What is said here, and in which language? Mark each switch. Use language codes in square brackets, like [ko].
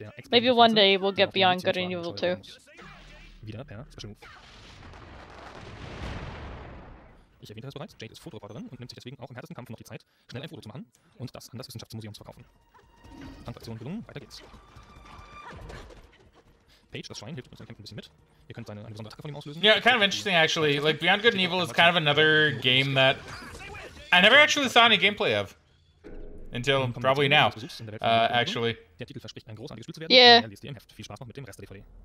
[en] Maybe one day we'll get Beyond Good and Evil too. [de] Wieder per Special Move. Ich erwähnte das bereits, Jade ist Fotoreporterin und nimmt sich deswegen auch im härtesten Kampf noch die Zeit, schnell ein Foto zu machen und das an das Wissenschaftsmuseum zu verkaufen. Transaktion gelungen, weiter geht's. Page, das Schwein, hilft uns im Kämpfen ein bisschen mit. Ihr könnt eine besondere Attacke von ihm auslösen. [en] Yeah, kind of interesting actually. Like, Beyond Good and Evil is kind of another game that I never actually saw any gameplay of. Until probably now, actually. [de] Der Titel verspricht, ein großartiges Spiel zu werden. [en] Yeah. [de] Er liest dir im Heft. Viel Spaß noch mit dem Rest der DVD.